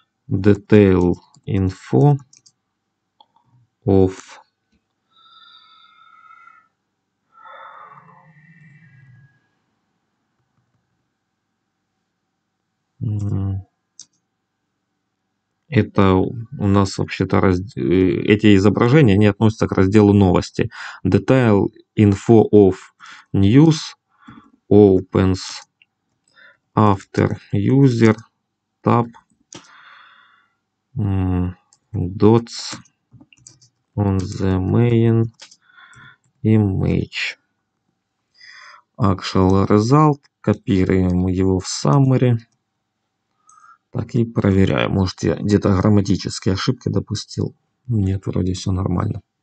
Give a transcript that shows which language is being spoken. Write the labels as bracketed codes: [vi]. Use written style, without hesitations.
[en] Detail info of [ru] это у нас вообще-то эти изображения, они относятся к разделу новости. [en] Detail info of news opens after user tab dots on the main image. Actual result. [ru] Копируем его в summary. Так, и проверяю. Может, я где-то грамматические ошибки допустил. Нет, вроде все нормально.